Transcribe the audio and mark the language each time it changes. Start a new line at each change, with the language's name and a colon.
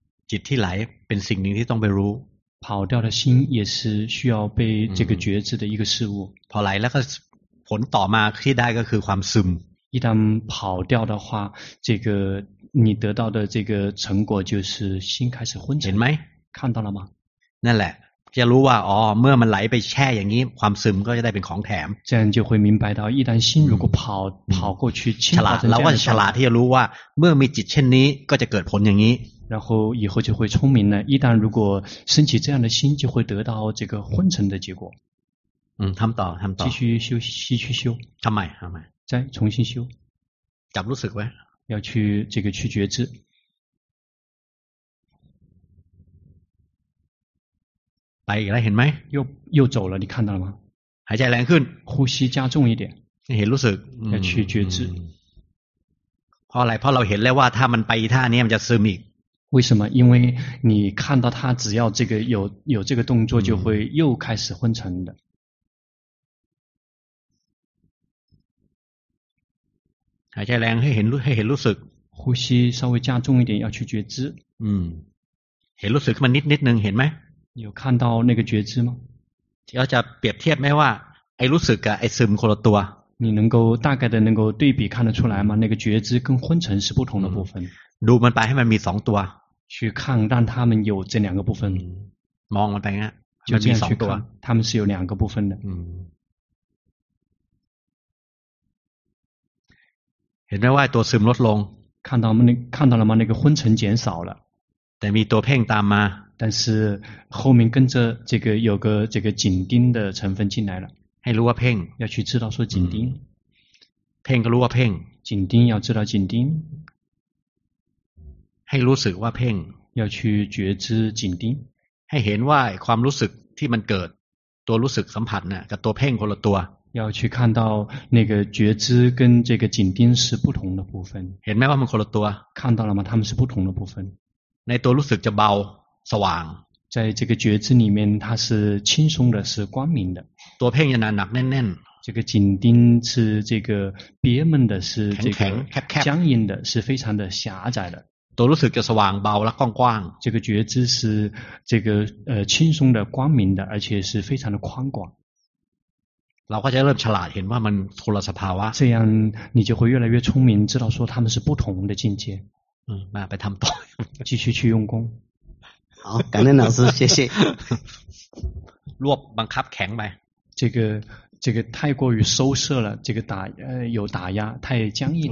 Thai: จิตที่ไหลเป็นสิ่งหนึ่งที่ต้องไปรู้
Chinese: 跑掉的心也是需要被这个觉知的一个事物
Thai: พอไหลแล้วก็ผลต่อมาที่ได้ก็คือความซึม
Chinese: 一旦跑掉的话这个你得到的这个成果就是心开始昏沉
Thai: เห็นไหม
Chinese: 看到了吗
Thai: นั่นแหละจะรู้ว่าอ๋อเมื่อมันไหลไปแช่อย่างนี้ความซึมก็จะได้เป็นของแถม
Chinese: 这样就会明白到一旦心如果跑过去
Thai: ฉลาดเราก็จะฉลาดที่จะรู้ว่าเมื่อมีจิตเช่นนี้ก็จะเกิดผลอย่างนี้
Chinese: 然后以后就会聪明了一旦如果升起这样的心就会得到这个昏沉的结果
Thai: ทำต่อ
Chinese: 继续修
Thai: ทำใหม่
Chinese: 再重新修
Thai: จับรู้สึกไว้
Chinese: 要去这个去觉知
Thai: ไปอีกแล้วเห็นไหม
Chinese: 又走了你看到了吗
Thai: หายใจแรงขึ้น
Chinese: 呼吸加重一点
Thai: เห็นรู้สึก
Chinese: 要去觉知
Thai: พออะไรเพราะเราเห็นแล้วว่าถ้ามันไปท่านี้มันจะซึมอีก
Chinese: 为什么因为你看到他只要这个有这个动作就会又开始昏沉的
Thai: หายใจแรงให้เห็นรู้สึก
Chinese: 呼吸稍微加重一点要去觉知
Thai: เห็นรู้สึกมันนิดนึงเห็นไหม
Chinese: 有看到那个觉知吗？
Thai: เราจะเปรียบเทียบไหมว่าไอ้รู้สึกกับไอ้ซึมคนละตัว
Chinese: 你能够大概的能够对比看得出来吗？那个觉知跟昏沉是不同的部分。
Thai: ดูมันไปให้มันมี2ตัว
Chinese: 去看让他们有这两个部分。
Thai: มองมันไปงั้น
Chinese: 就这样去看，他们是有两个部分的。
Thai: เห็นไหมว่าตัวซึมลดลง
Chinese: 看到了吗？那个昏沉减少了。
Thai: แต่มีตัวเพ่งตามมา
Chinese: 但是后面跟着这个有个这个紧盯的成分进来了
Thai: ให้รู้ว่าเพ่ง
Chinese: 要去知道说紧盯
Thai: เพ่งก็รู้ว่าเพ่ง
Chinese: 紧盯要知道紧盯
Thai: ให้รู้สึกว่าเพ่ง
Chinese: 要去觉知紧盯
Thai: ให้เห็นว่าความรู้สึกที่มันเกิดตัวรู้สึกสัมผัสน่ะกับตัวเพ่งคนละตัว
Chinese: 要去看到那个觉知跟这个紧盯是不同的部分
Thai: เห็นไหมว่ามันคนละตัว
Chinese: 看到了吗他们是不同的部分
Thai: ในตัวรู้สึกจะเบาสว่าง
Chinese: 在这个觉知里面它是轻松的是光明的
Thai: ตัวเพ่งจะหนักแน่น
Chinese: ๆ这个紧盯是这个憋闷的是这个
Thai: แข็ง
Chinese: 僵硬的是非常的狭窄的
Thai: ตัวรู้สึกจะสว่างเบาและกว้าง
Chinese: ๆ这个觉知是这个轻松的光明的而且是非常的宽广
Thai: เราก็จะเริ่มฉลาดเห็นว่ามันคนละสภาวะ
Chinese: 这样你就会越来越聪明知道说他们是不同的境界
Thai: มาไปทำต่อ
Chinese: 继续去用功好感恩老师谢谢
Thai: รวบบังคับแข็งไป
Chinese: 这个太过于收摄了这个打有打压太僵硬了